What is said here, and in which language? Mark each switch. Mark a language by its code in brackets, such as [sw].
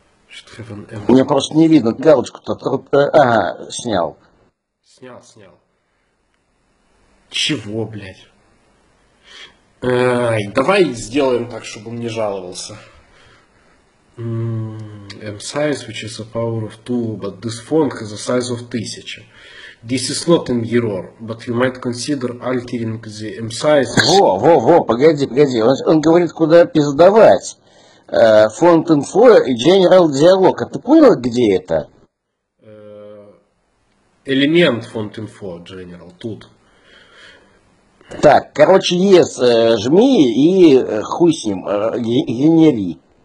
[en] Should have [ru] Мне [en] an [ru] просто не видно галочку-то. Ага, снял. Снял, снял. Чего, блядь? Давай сделаем так, чтобы он не жаловался. [en] M size, which is a power of 2, but this font has a size of 1000. This is not an error, but you might consider altering the M-size. [ru] Во, погоди, погоди. Он говорит, куда пиздовать. Font Info и General Dialog. А ты понял, где это? Элемент font-info general тут. Так, короче, yes, жми и хуй с ним, генери.